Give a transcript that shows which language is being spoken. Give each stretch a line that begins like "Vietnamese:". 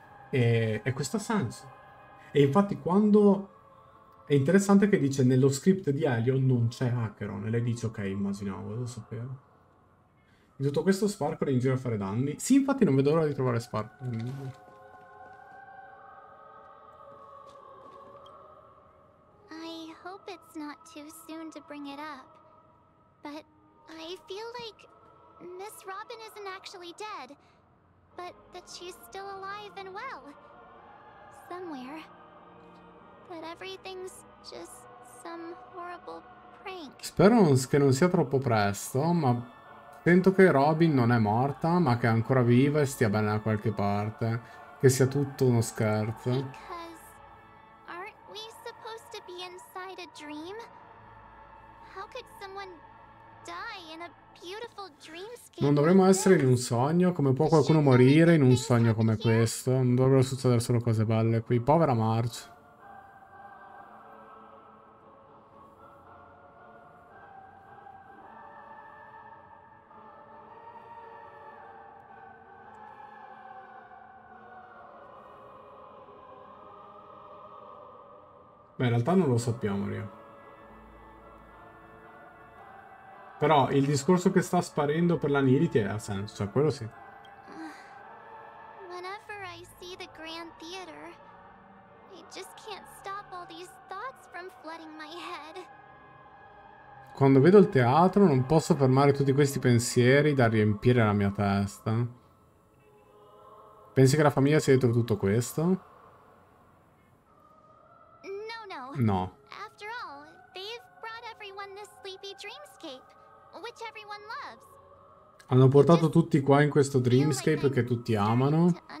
Italian: E questo ha senso. E infatti quando... È interessante che dice nello script di Helion non c'è Acheron. E lei dice ok, immaginavo, lo sapevo. In tutto questo Sparkle è in giro a fare danni. Sì, infatti non vedo l'ora di trovare Sparkle.
English: I hope it's not too soon to bring it up. But I feel like Miss Robin isn't actually dead, but that she's still alive and well somewhere. But everything's just some horrible prank.
Italian: Spero che non sia troppo presto, ma sento che Robin non è morta, ma che è ancora viva e stia bene da qualche parte. Che sia tutto uno scherzo.
English: Because aren't we supposed to be inside a dream? How could someone die in a beautiful dreamscape?
Italian: Non dovremmo essere in un sogno? Come può qualcuno morire in un sogno come questo? Non dovrebbero succedere solo cose belle qui. Povera Marge. Beh, in realtà non lo sappiamo, Ria. Però il discorso che sta sparendo per la Nility ha senso, cioè quello sì.
English: Whenever I see the Grand Theater, I just can't stop all these thoughts from flooding my head.
Italian: Quando vedo il teatro non posso fermare tutti questi pensieri da riempire la mia testa. Pensi che la famiglia sia dietro tutto questo? No.
English: After all, they've brought everyone this sleepy dreamscape, which everyone loves.
Italian: Hanno portato tutti qua in questo dreamscape che tutti amano.